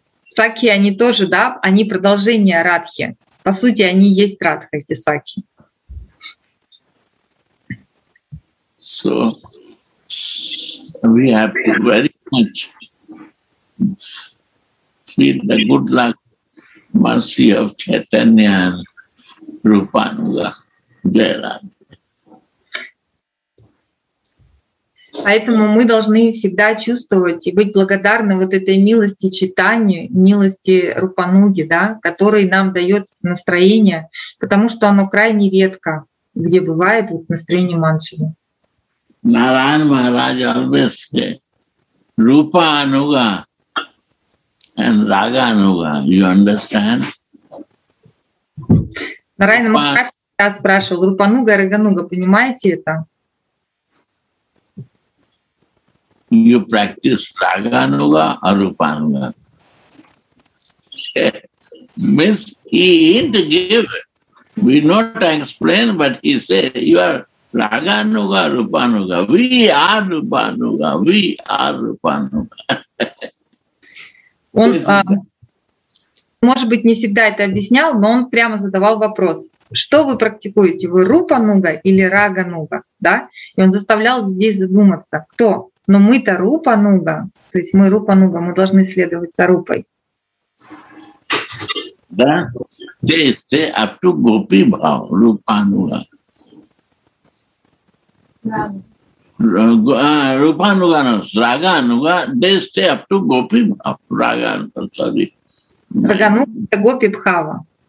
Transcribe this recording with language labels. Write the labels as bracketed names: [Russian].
[Russian] Сакхи, они тоже, да, они продолжение радхи. По сути, они есть радха, эти сакхи. [English] So we have to very much feel the good luck, mercy of Chaitanya and Rupanuga, Jairad. [Russian] Поэтому мы должны всегда чувствовать и быть благодарны вот этой милости читанию, милости Рупануги, да, который нам дает настроение, потому что оно крайне редко, где бывает вот настроение манджари. [English] Нараян Махарадж always say, Rupa Anuga and Raga Anuga, you understand? [Russian] Нараян Махарадж всегда спрашивал, Рупануга и Рагануга, понимаете это? [English] You practice Raga Anuga or Rupa Anuga? Means he didn't give, we not explain, but he said, you are Raga Anuga or Rupa Anuga? We are Rupa Anuga, we are Rupa Anuga. [Russian] Он, может быть, не всегда это объяснял, но он прямо задавал вопрос. Что вы практикуете, вы Рупа Ануга или Рага Ануга? Да? И он заставлял людей задуматься, кто? Но мы-то Рупануга, то есть мы Рупануга, мы должны следовать за Рупой. [English] Да, they say up to Gopi Bhav, Rupanuga. Rupanugana, Raganuga, they stay up to Gopi Raganuga, sorry. Raganuga is Gopi Bhava.